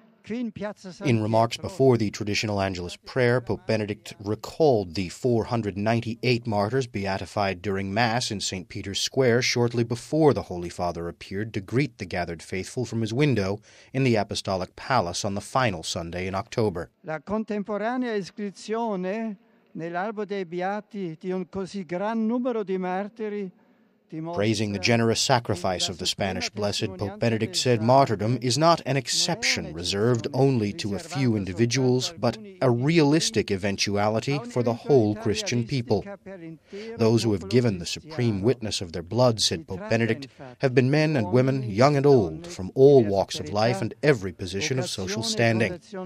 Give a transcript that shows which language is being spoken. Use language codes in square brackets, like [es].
[en] In remarks before the traditional Angelus prayer, Pope Benedict recalled the 498 martyrs beatified during Mass in St. Peter's Square shortly before the Holy Father appeared to greet the gathered faithful from his window in the Apostolic Palace on the final Sunday in October. [it] La contemporanea iscrizione nell'albo dei beati di un così gran numero di martiri. [en] Praising the generous sacrifice of the Spanish blessed, Pope Benedict said martyrdom is not an exception reserved only to a few individuals, but a realistic eventuality for the whole Christian people. Those who have given the supreme witness of their blood, said Pope Benedict, have been men and women, young and old, from all walks of life and every position of social standing.